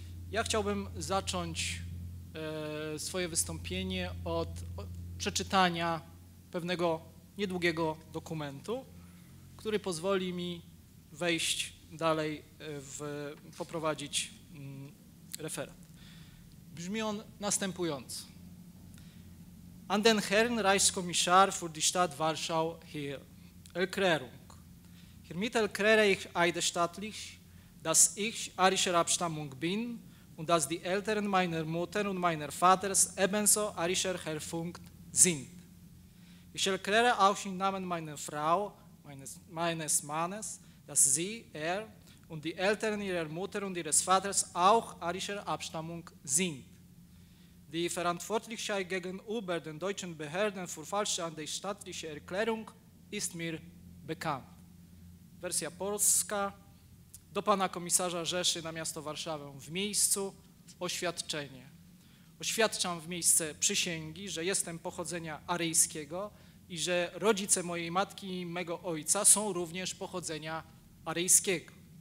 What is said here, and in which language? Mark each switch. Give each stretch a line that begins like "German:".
Polish: Ja chciałbym zacząć swoje wystąpienie od przeczytania pewnego niedługiego dokumentu, który pozwoli mi wejść dalej, poprowadzić referat. Brzmi on następująco.
German: An den Herrn Reichskommissar für die Stadt Warschau hier, Erklärung. Hiermit erkläre ich eidesstattlich, dass ich arischer Abstammung bin und dass die Eltern meiner Mutter und meiner Vaters ebenso arischer Herkunft sind. Ich erkläre auch im Namen meiner Frau, meines Mannes, dass sie, er und die Eltern ihrer Mutter und ihres Vaters auch arischer Abstammung sind. Die Verantwortlichkeit gegenüber den deutschen Behörden für falsche andeutsche Erklärung ist mir bekannt.
Polish: Wersja polska. Do pana komisarza Rzeszy na miasto Warszawę w miejscu oświadczenie. Oświadczam w miejsce przysięgi, że jestem pochodzenia aryjskiego i że rodzice mojej matki i mego ojca są również pochodzenia aryjskiego.